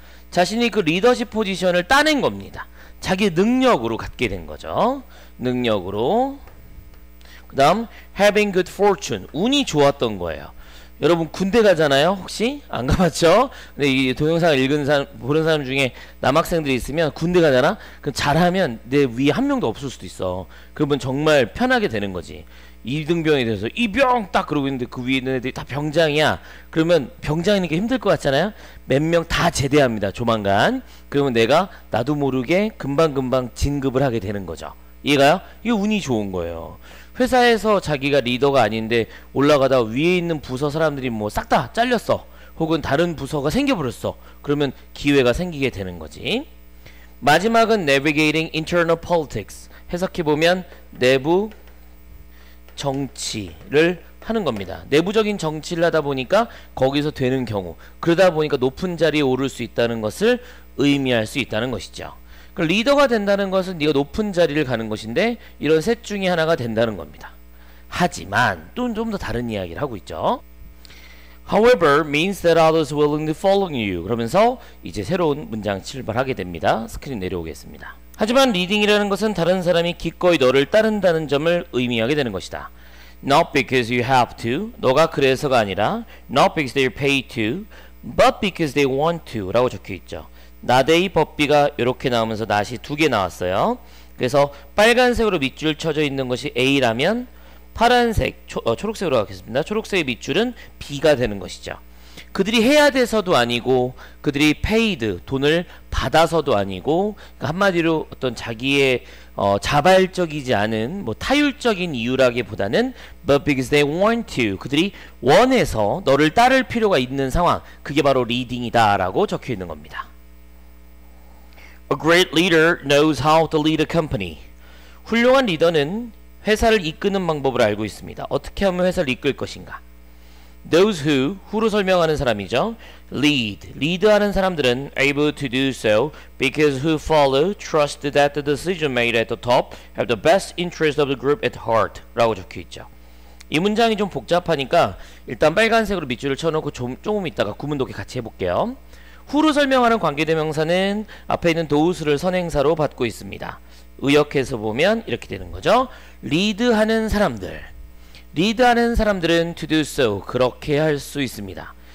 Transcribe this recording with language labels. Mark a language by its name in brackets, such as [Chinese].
[Korean] 자신이 그 리더십 포지션을 따낸 겁니다. 자기 능력으로 갖게 된 거죠. 능력으로. 그 다음, [English] having good fortune. [Korean] 운이 좋았던 거예요. 여러분 군대 가잖아요 혹시? 안 가봤죠? 근데 이 동영상을 읽은 사람, 보는 사람 중에 남학생들이 있으면 군대 가잖아? 그럼 잘하면 내 위에 한 명도 없을 수도 있어. 그러면 정말 편하게 되는 거지. 2등병이 돼서 이병! 딱 그러고 있는데 그 위에 있는 애들이 다 병장이야. 그러면 병장이니까 게 힘들 것 같잖아요? 몇 명 다 제대합니다 조만간. 그러면 내가 나도 모르게 금방금방 진급을 하게 되는 거죠. 이해가요? 이게 운이 좋은 거예요. 회사에서 자기가 리더가 아닌데 올라가다 위에 있는 부서 사람들이 뭐 싹 다 잘렸어 혹은 다른 부서가 생겨버렸어 그러면 기회가 생기게 되는 거지. 마지막은 [English] navigating internal politics. [Korean] 해석해보면 내부 정치를 하는 겁니다. 내부적인 정치를 하다 보니까 거기서 되는 경우, 그러다 보니까 높은 자리에 오를 수 있다는 것을 의미할 수 있다는 것이죠. 리더가 된다는 것은 네가 높은 자리를 가는 것인데 이런 셋 중에 하나가 된다는 겁니다. 하지만 또 좀 더 다른 이야기를 하고 있죠. [English] However means that others willing to follow you. [Korean] 그러면서 이제 새로운 문장 출발하게 됩니다. 스크린 내려오겠습니다. 하지만 리딩이라는 것은 다른 사람이 기꺼이 너를 따른다는 점을 의미하게 되는 것이다. [English] Not because you have to. [Korean] 너가 그래서가 아니라 [English] Not because they pay to. But because they want to. [Korean] 라고 적혀 있죠. 나데이 법비가 이렇게 나오면서 낫이 두 개 나왔어요. 그래서 빨간색으로 밑줄 쳐져 있는 것이 A라면 파란색, 초록색으로 가겠습니다. 초록색의 밑줄은 B가 되는 것이죠. 그들이 해야 돼서도 아니고 그들이 페이드 돈을 받아서도 아니고 그러니까 한마디로 어떤 자기의 자발적이지 않은 뭐 타율적인 이유라기보다는 [English] but because they want to [Korean] 그들이 원해서 너를 따를 필요가 있는 상황 그게 바로 리딩이다 라고 적혀 있는 겁니다. [English] A great leader knows how to lead a company. [Korean] 훌륭한 리더는 회사를 이끄는 방법을 알고 있습니다. 어떻게 하면 회사를 이끌 것인가? [English] Those who [Korean] 로 설명하는 사람이죠. [English] Lead, [Korean] 리드하는 사람들은 [English] able to do so because who follow trust that the decision made at the top have the best interest of the group at heart [Korean] 라고 적혀 있죠. 이 문장이 좀 복잡하니까 일단 빨간색으로 밑줄을 쳐놓고 조금 있다가 구문 독해 같이 해볼게요. Who로 설명하는 관계대명사는 앞에 있는 those를 선행사로 받고 있습니다. 의역해서 보면 이렇게 되는 거죠. 리드하는 사람들 리드하는 사람들은 [English] to do so [Korean] 그렇게 할 수 있습니다.